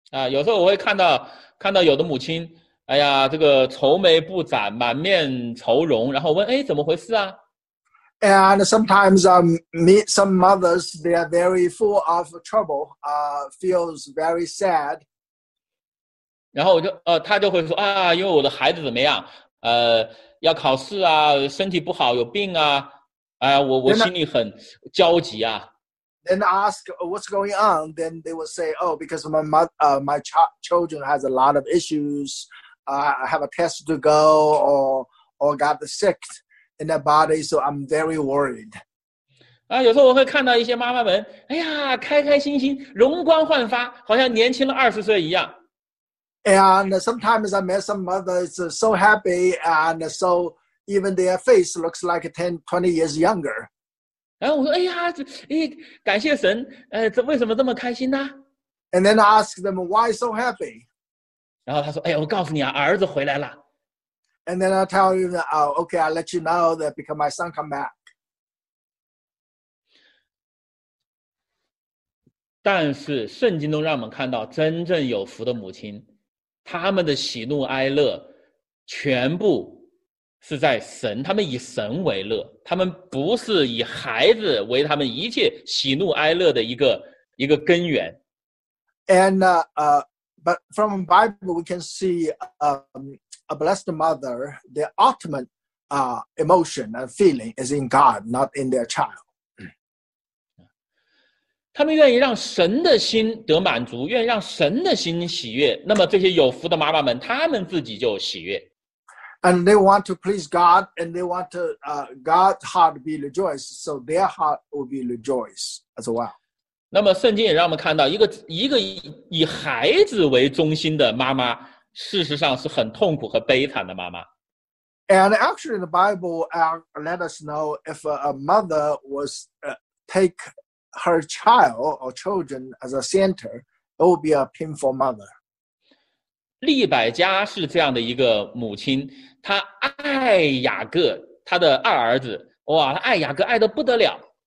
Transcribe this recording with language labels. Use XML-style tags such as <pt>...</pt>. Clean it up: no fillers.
<zh>有时候我会看到有的母亲，哎呀，这个愁眉不展，满面愁容，然后问，哎，怎么回事啊</zh> <en>？And sometimes meet some mothers. They are very full of trouble. Feels very sad.</en> <zh>然后我就他就会说啊，因为我的孩子怎么样？要考试啊，身体不好，有病啊。我心里很焦急啊。</zh> <en>Then ask what's going on, then they will say, oh, because my mother, my children has a lot of issues, I have a test to go or got the sick in their body, so I'm very worried.</en> <zh>有时候我会看到一些妈妈们，哎呀，开开心心，容光焕发，好像年轻了20岁一样。</zh> <en>And sometimes I met some mothers so happy and so. Even their face looks like 10-20 years younger.</en> <zh>然后我说，哎呀，哎，感谢神，这为什么这么开心呢？</zh> <en>And then I ask them why so happy.</en> <zh>然后他说，哎，我告诉你啊，儿子回来了。</zh> <en>And then I tell you that, oh, okay, I'll let you know that because my son come back.</en> <zh>但是圣经中让我们看到，真正有福的母亲，他们的喜怒哀乐全部。是在神，他们以神为乐，他们不是以孩子为他们一切喜怒哀乐的一个根源。</zh> <en>And but from Bible we can see a blessed mother, the ultimate emotion and feeling is in God, not in their child.</en> <zh>他们愿意让神的心得满足，愿意让神的心喜悦，那么这些有福的妈妈们，他们自己就喜悦。</zh> <en>And they want to please God, and they want to, God's heart be rejoiced, so their heart will be rejoiced as well.</en> <zh>那么圣经也让我们看到一个以孩子为中心的妈妈，事实上是很痛苦和悲惨的妈妈。</zh> <en>And actually the Bible let us know if a mother was take her child or children as a center, it would be a painful mother.</en> <zh>利百加是这样的一个母亲，她爱雅各，她的二儿子，哇，她爱雅各爱得不得了。</zh>